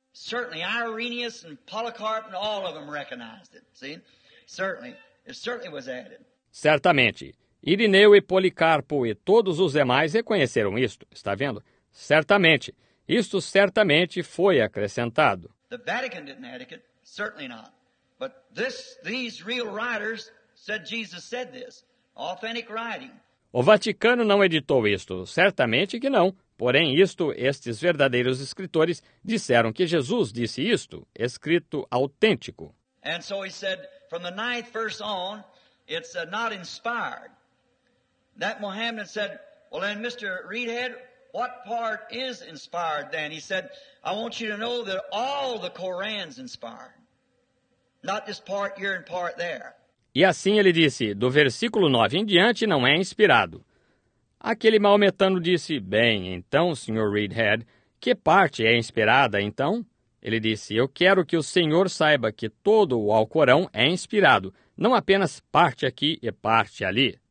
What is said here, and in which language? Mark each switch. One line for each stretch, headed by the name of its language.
Portuguese: Certamente, Irenaeus e Policarpo, todos eles reconheceram. Certamente, foi adicionado. Certamente. Irineu e Policarpo e todos os demais reconheceram isto, está vendo? Certamente, isto certamente foi acrescentado.
English: The Vatican didn't add it, certainly not. But these real writers said Jesus said this, authentic writing.
Portuguese: O Vaticano não editou isto, certamente que não. Porém, isto, estes verdadeiros escritores disseram que Jesus disse isto, escrito autêntico.
English: And so he said, from the ninth verse on, it's not inspired. That Mohammedan said, well then, Mr. Reedhead, what part is inspired then? He said, I want you to know that all the Koran's inspired, not just part here and part there.
Portuguese: E assim ele disse, do versículo 9 em diante não é inspirado. Aquele maometano disse, bem, então, Sr. Reedhead, que parte é inspirada então? Ele disse, eu quero que o senhor saiba que todo o Alcorão é inspirado, não apenas parte aqui e parte ali.